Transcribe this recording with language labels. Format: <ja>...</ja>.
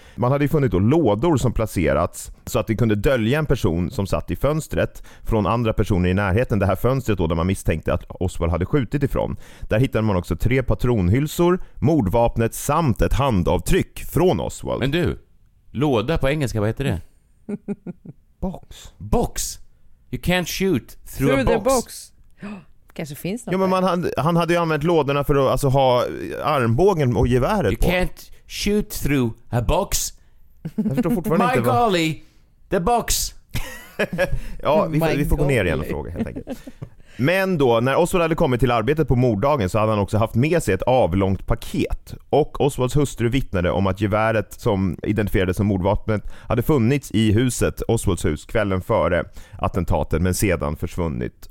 <sv>Man hade ju funnit då lådor som placerats så att det kunde dölja en person som satt i fönstret från andra personer i närheten. Det här fönstret då där man misstänkte att Oswald hade skjutit ifrån. Där hittade man också 3 patronhylsor, mordvapnet samt ett handavtryck från Oswald. Men du, låda på engelska, vad heter det? Box. Box!</sv> <en>You can't shoot through a box.</en> <sv>Kanske finns något. Ja, men han hade ju använt lådorna för att alltså, ha armbågen och geväret</sv> <en>you</en> <sv>på.</sv> <en>You can't shoot through a box.</en> <sv>Jag förstår fortfarande inte.</sv> <en>My golly, the box.</en> <sv>Ja, vi får gå ner igen och fråga helt enkelt. Men då, när Oswald hade kommit till arbetet på morddagen så hade han också haft med sig ett avlångt paket. Och Oswalds hustru vittnade om att geväret som identifierades som mordvapnet hade funnits i huset, Oswalds hus, kvällen före attentatet men sedan försvunnit.</sv>